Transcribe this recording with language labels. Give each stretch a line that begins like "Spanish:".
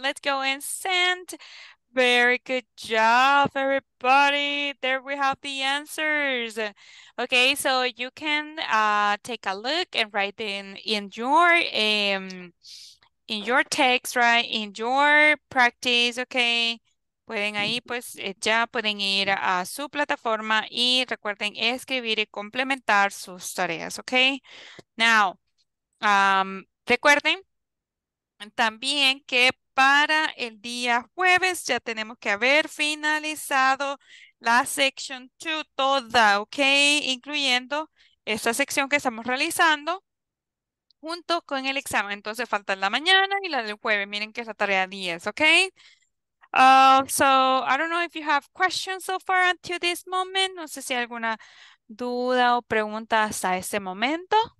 English: Let's go and send. Very good job, everybody. There we have the answers. Okay, so you can take a look and write in your text, right? In your practice, okay?
Spanish: Pueden ahí, pues, ya pueden ir a su plataforma y recuerden escribir y complementar sus tareas, okay? Now, recuerden también que para el día jueves ya tenemos que haber finalizado la section 2 toda, okay? Incluyendo esta sección que estamos realizando junto con el examen. Entonces falta la mañana y la del jueves. Miren que es la tarea 10, ¿ok?
English: So, I don't know if you have questions so far until this moment.
Spanish: No sé si hay alguna duda o pregunta hasta este momento.